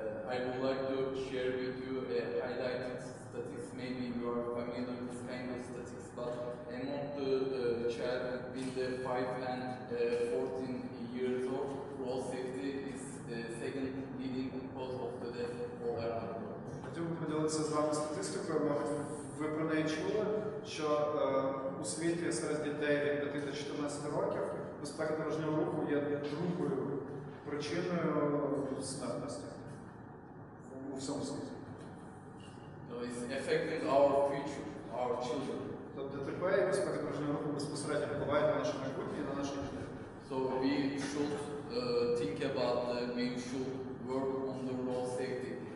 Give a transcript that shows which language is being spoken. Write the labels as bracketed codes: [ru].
[en] I would like to share with you a highlighted statistics. Maybe you are familiar with this kind of statistics, but among the child between the 5 and 14 years old, road safety is the second leading cause of the death all around the world. [uk] Хотів би поділитися з вами статистикою, може ви про неї чули, що у світі серед дітей від 5 до 14 років безпека дорожнього руху є другою причиною смертності у всьому світі. То є [en] affecting our future, our children. [uk] То ДТП і безпека дорожнього руху безпосередньо впливає на наше майбутнє і на наше життя. [en] So we should think about, we should work on the road safety.